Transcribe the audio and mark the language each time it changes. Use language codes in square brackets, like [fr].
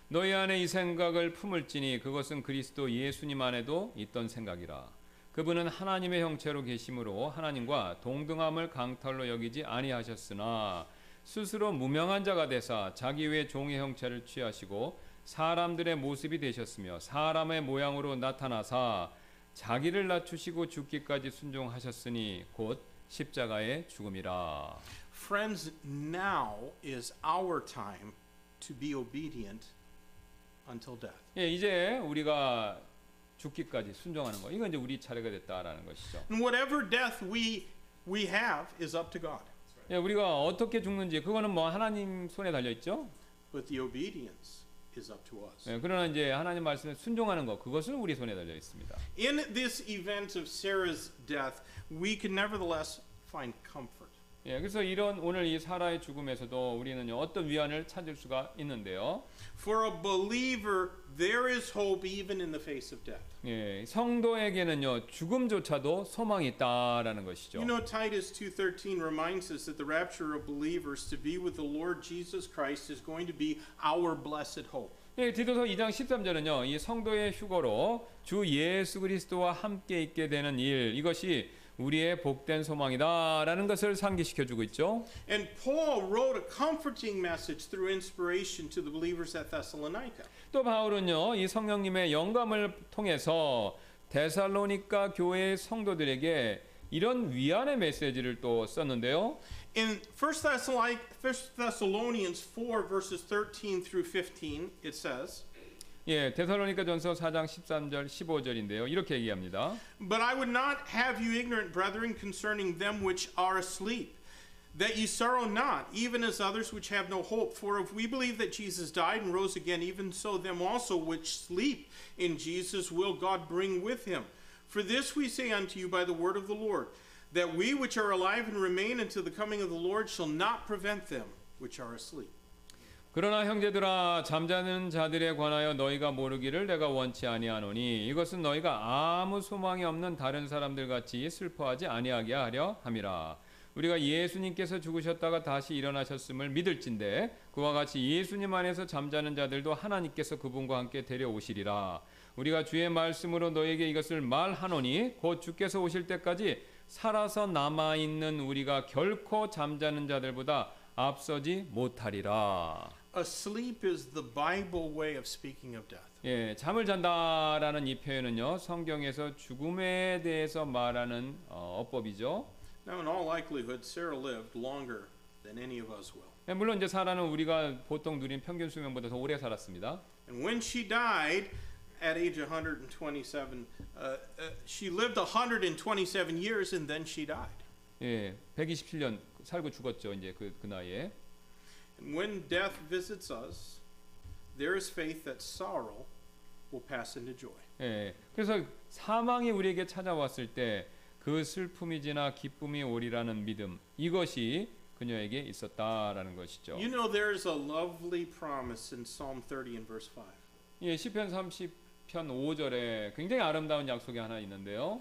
[ko] 너희 안에 이 생각을 품을지니 그것은 그리스도 예수님 안에도 있던 생각이라. 그분은 하나님의 형체로 계심으로 하나님과 동등함을 강탈로 여기지 아니하셨으나 스스로 무명한 자가 되사 자기 위에 종의 형체를 취하시고 사람들의 모습이 되셨으며 사람의 모양으로 나타나사 자기를 낮추시고 죽기까지 순종하셨으니 곧 십자가의 죽음이라. [en] Friends, now is our time to be obedient until death. [ko] 예, 이제 우리가 죽기까지 순종하는 거. 이건 이제 우리 차례가 됐다라는 것이죠. [en] And whatever death we have is up to God. [ko] 예, 우리가 어떻게 죽는지 그거는 뭐 하나님 손에 달려 있죠. [en] But the obedience is up to us. [ko] 예, 그러나 이제 하나님 말씀에 순종하는 거 그것은 우리 손에 달려 있습니다. [en] In this event of Sarah's death, we can nevertheless find comfort. [ko] 예, 그래서 이런 오늘 이 사라의 죽음에서도 우리는 어떤 위안을 찾을 수가 있는데요. [en] For a believer, there is hope even in the face of death. [ko] 예, 성도에게는요 죽음조차도 소망이 있다라는 것이죠. [en] You know, Titus 2:13 reminds us that the rapture of believers to be with the Lord Jesus Christ is going to be our blessed hope. [ko] 예, 디도서 2장 13절은요 이 성도의 휴거로 주 예수 그리스도와 함께 있게 되는 일 이것이 우리의 복된 소망이다라는 것을 상기시켜 주고 있죠. [en] And Paul wrote a comforting message through inspiration to the believers at Thessalonica. [ko] 또 바울은요, 이 성령님의 영감을 통해서 데살로니가 교회의 성도들에게 이런 위안의 메시지를 또 썼는데요. [en] In 1 Thessalonians 4 verses 13 through 15 it says [ko] 예, 데살로니가전서 4장 13절 15절인데요. 이렇게 얘기합니다. [en] But I would not have you ignorant brethren concerning them which are asleep, that ye sorrow not, even as others which have no hope. For if we believe that Jesus died and rose again, even so them also which sleep in Jesus will God bring with him. For this we say unto you by the word of the Lord, that we which are alive and remain until the coming of the Lord shall not prevent them which are asleep. [ko] 그러나 형제들아 잠자는 자들에 관하여 너희가 모르기를 내가 원치 아니하노니 이것은 너희가 아무 소망이 없는 다른 사람들 같이 슬퍼하지 아니하게 하려 함이라. 우리가 예수님께서 죽으셨다가 다시 일어나셨음을 믿을진대 그와 같이 예수님 안에서 잠자는 자들도 하나님께서 그분과 함께 데려오시리라. 우리가 주의 말씀으로 너희에게 이것을 말하노니 곧 주께서 오실 때까지 살아서 남아있는 우리가 결코 잠자는 자들보다 앞서지 못하리라. [en] Asleep is the Bible way of speaking of death. [ko] 예, 잠을 잔다라는 이 표현은요 성경에서 죽음에 대해서 말하는 어법이죠. [en] Now, in all likelihood, Sarah lived longer than any of us will. [ko] 예, 물론 이제 사라는 우리가 보통 누린 평균 수명보다 더 오래 살았습니다. [en] And when she died at age 127, she lived 127 years and then she died. [ko] 예, 127년. 살고 죽었죠 이제 그 나이에. [en] And when death visits us, there is faith that sorrow will pass into joy. [ko] 예, 그래서 사망이 우리에게 찾아왔을 때 그 슬픔이 지나 기쁨이 오리라는 믿음 이것이 그녀에게 있었다라는 것이죠. [en] You know there is a lovely promise in Psalm 30 and verse 5. [ko] 예, 시편 30편 5절에 굉장히 아름다운 약속이 하나 있는데요.